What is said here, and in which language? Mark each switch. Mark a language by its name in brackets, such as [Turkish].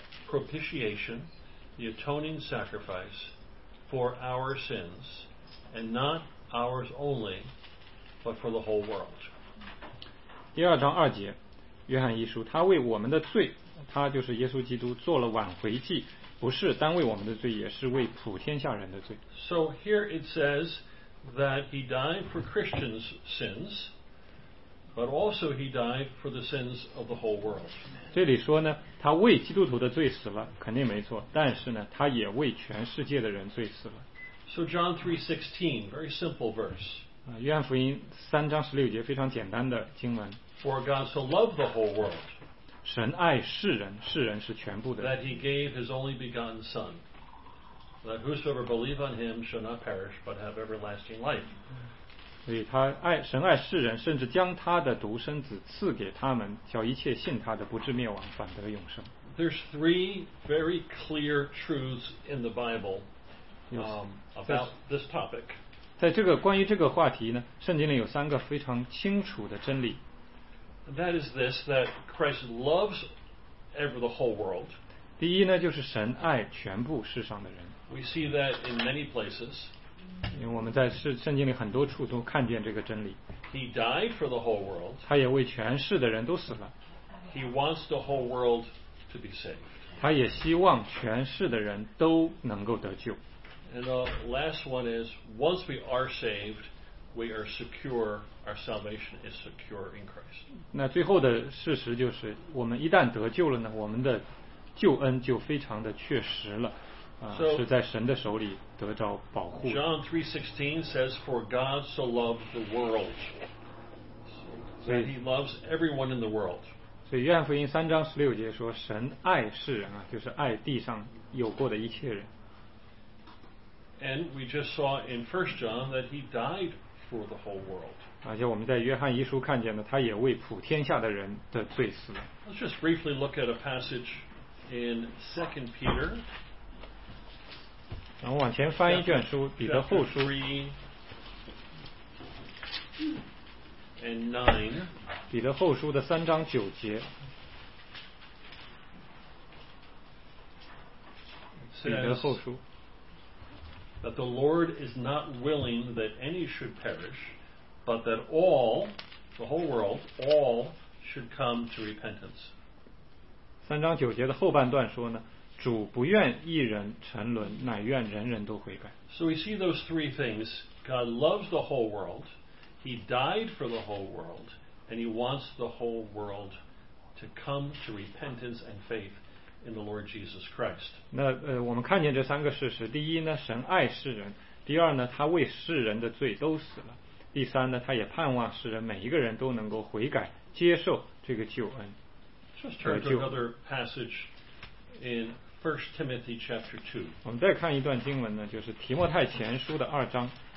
[English] propitiation, the atoning sacrifice for our sins, and not ours only, but for the whole world. [Chinese] 第二章二节，约翰一书，他为我们的罪，他就是耶稣基督做了挽回祭，不是单为我们的罪，也是为普天下人的罪。 [English] So here it says that he died for Christians' sins. But also he died for the sins of the whole world. [Chinese] 这里说呢，他为基督徒的罪死了，肯定没错。但是呢，他也为全世界的人罪死了。 [English] So John 3:16, very simple verse. [Chinese] 约翰福音三章十六节非常简单的经文。 [English] For God so loved the whole world. [Chinese] 神爱世人，世人是全部的。 [English] That he gave his only begotten Son, that whosoever believe on him shall not perish but have everlasting life. [Chinese] 所以他爱神爱世人，甚至将他的独生子赐给他们，叫一切信他的不至灭亡，反得永生。 [English] There's three very clear truths in the Bible about this topic. [Chinese] 在这个关于这个话题呢，圣经里有三个非常清楚的真理。 [English] That is this, that Christ loves ever the whole world. [Chinese] 第一呢，就是神爱全部世上的人。 [English] We see that in many places. [Chinese] 因为我们在圣经里很多处都看见这个真理。 [English] He died for the whole world. [Chinese] 他也为全世的人都死了。 [English] He wants the whole world to be saved. [Chinese] 他也希望全世的人都能够得救。 [English] And the last one is, once we are saved, we are secure. Our salvation is secure in Christ. [Chinese] 那最后的事实就是，我们一旦得救了呢，我们的救恩就非常的确实了。是在神的手里得着保护。 [English] John 3:16 says, "For God so loved the world that He loves everyone in the world." [Chinese] 所以约翰福音三章十六节说，神爱世人啊，就是爱地上有过的一切人。 [English] And we just saw in 1 John that He died for the whole world. [Chinese] 而且我们在约翰一书看见了，他也为普天下的人的罪死了。 [English] Let's just briefly look at a passage in 2 Peter. [Chinese] 然后往前翻一卷书，彼得后书。 [English] And nine. [Chinese] 彼得后书的三章九节。彼得后书。 [English] That the Lord is not willing that any should perish, but that all, the whole world, all should come to repentance. [Chinese] 三章九节的后半段说呢，主不愿一人沉沦，乃愿人人都悔改。 [English] So we see those three things. God loves the whole world. He died for the whole world. And he wants the whole world to come to repentance and faith in the Lord Jesus Christ. [Chinese] 那我们看见这三个事实。第一呢，神爱世人。第二呢，他为世人的罪都死了。第三呢，他也盼望世人每一个人都能够悔改，接受这个救恩。 [English] Just turn to another passage. In 1 Timothy chapter 2. [Chinese] 我们再看一段经文呢，就是提摩太前书的二章。